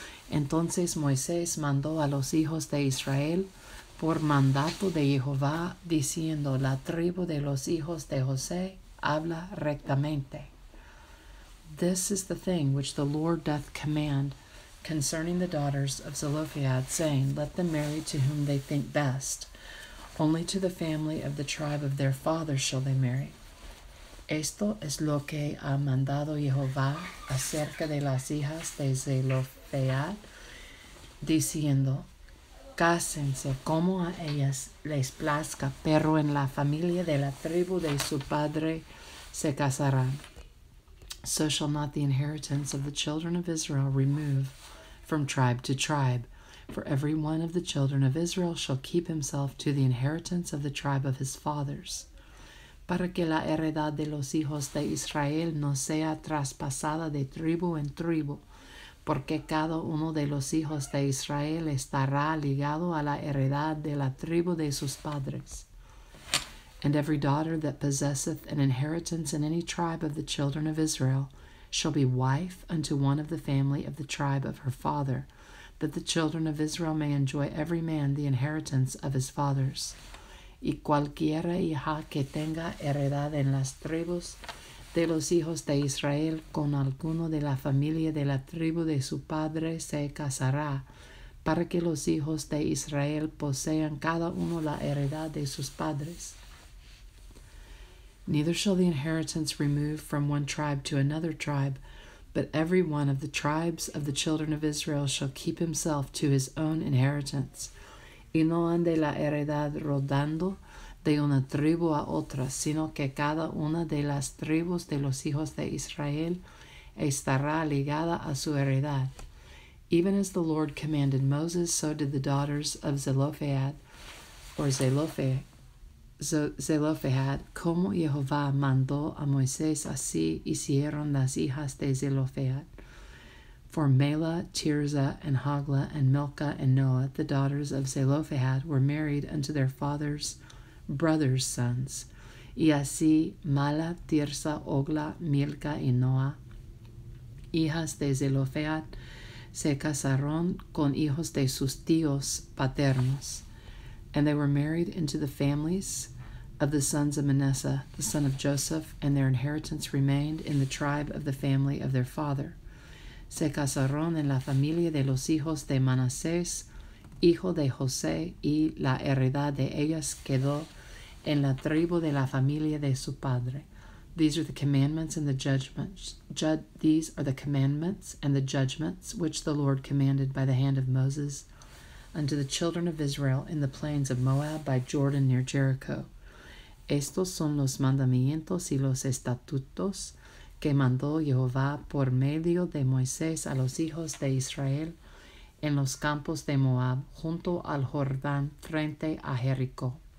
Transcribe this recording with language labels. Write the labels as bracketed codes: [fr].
[es] Entonces Moisés mandó a los hijos de Israel por mandato de Jehová, diciendo, "La tribu de los hijos de José habla rectamente." [en] This is the thing which the Lord doth command concerning the daughters of Zelophehad, saying, "Let them marry to whom they think best. Only to the family of the tribe of their father shall they marry." [es] Esto es lo que ha mandado Jehová acerca de las hijas de Zelophehad, diciendo, "Cásense como a ellas les plazca, pero en la familia de la tribu de su padre se casarán." [en] So shall not the inheritance of the children of Israel remove from tribe to tribe, for every one of the children of Israel shall keep himself to the inheritance of the tribe of his fathers. [es] Para que la heredad de los hijos de Israel no sea traspasada de tribu en tribu, porque cada uno de los hijos de Israel estará ligado a la heredad de la tribu de sus padres. [en] And every daughter that possesseth an inheritance in any tribe of the children of Israel shall be wife unto one of the family of the tribe of her father, that the children of Israel may enjoy every man the inheritance of his fathers. [es] Y cualquiera hija que tenga heredad en las tribus de los hijos de Israel con alguno de la familia de la tribu de su padre se casará, para que los hijos de Israel posean cada uno la heredad de sus padres. [en] Neither shall the inheritance remove from one tribe to another tribe, but every one of the tribes of the children of Israel shall keep himself to his own inheritance. [es] Y no ande la heredad rodando de una tribu a otra, sino que cada una de las tribus de los hijos de Israel estará ligada a su heredad. [en] Even as the Lord commanded Moses, so did the daughters of Zelophehad, or Zelophehad, [es] como Jehová mandó a Moisés, así hicieron las hijas de Zelophehad. [en] For Mela, Tirzah, and Hogla, and Milcah, and Noah, the daughters of Zelophehad, were married unto their father's brother's sons. [es] Y así Mala, Tirzah, Hogla, Milcah, y Noah, hijas de Zelophehad, se casaron con hijos de sus tíos paternos. [en] And they were married into the families of the sons of Manasseh, the son of Joseph, and their inheritance remained in the tribe of the family of their father. [es] Se casaron en la familia de los hijos de Manasés, hijo de José, y la heredad de ellas quedó en la tribu de la familia de su padre. [en] These are the commandments and the judgments. These are the commandments and the judgments which the Lord commanded by the hand of Moses unto the children of Israel in the plains of Moab by Jordan near Jericho. [es] Estos son los mandamientos y los estatutos que mandó Jehová por medio de Moisés a los hijos de Israel en los campos de Moab junto al Jordán frente a Jericó.